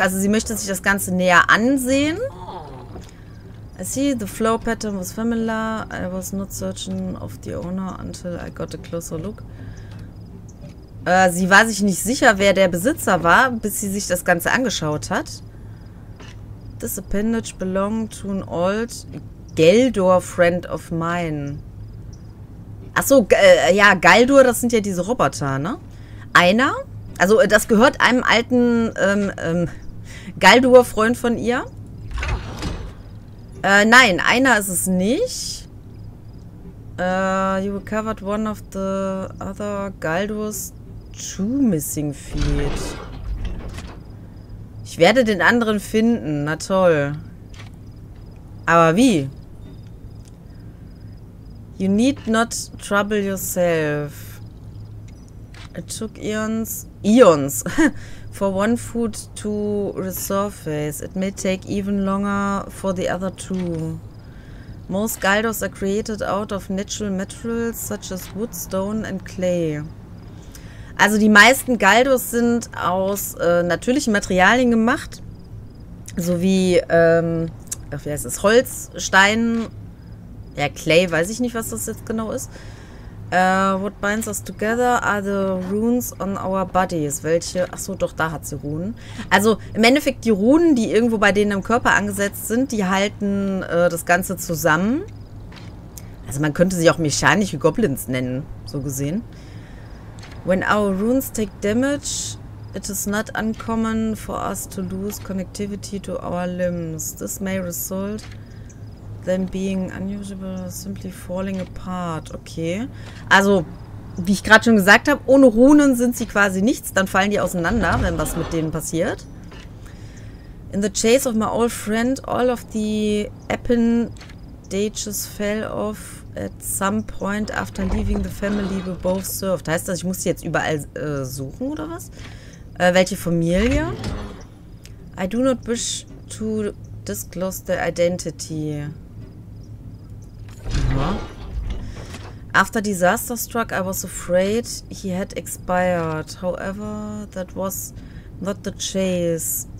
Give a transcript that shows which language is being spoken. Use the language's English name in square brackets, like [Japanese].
[German] Also sie möchte sich das Ganze näher ansehen. [English] I see the flow pattern was familiar. I was not certain of the owner until I got a closer look. [German] Sie war sich nicht sicher, wer der Besitzer war, bis sie sich das Ganze angeschaut hat. [English] This appendage belonged to an old Geldor friend of mine. [German] Achso, ja, Galdur, das sind ja diese Roboter, ne? Einer, also das gehört einem alten Galdur-Freund von ihr. Nein, einer ist es nicht. [English] You recovered one of the other Galdos two missing feet. [German] Ich werde den anderen finden. Na toll. Aber wie? [English] You need not trouble yourself. It took eons. Eons. For one foot to resurface. It may take even longer for the other two. Most Galdos are created out of natural materials such as wood, stone and clay. [German] Also die meisten Galdos sind aus natürlichen Materialien gemacht. So wie, wie heißt es, Holz, Stein, ja Clay, weiß ich nicht, was das jetzt genau ist. [English] What binds us together are the runes on our bodies. [German] Welche, achso, doch, da hat sie Runen. Also im Endeffekt die Runen, die irgendwo bei denen im Körper angesetzt sind, die halten das Ganze zusammen. Also man könnte sie auch mechanische Goblins nennen, so gesehen. [English] When our runes take damage, it is not uncommon for us to lose connectivity to our limbs. This may result them being unusable, simply falling apart. Okay. [German] Also, wie ich gerade schon gesagt habe, ohne Runen sind sie quasi nichts. Dann fallen die auseinander, wenn was mit denen passiert. [English] In the chase of my old friend, all of the appendages fell off. At some point after leaving the family, we both served. [German] Heißt das, ich muss sie jetzt überall suchen, oder was? Welche Familie? [English] I do not wish to disclose the identity. Aha. After disaster struck, I was afraid he had expired. However, that was not the chase.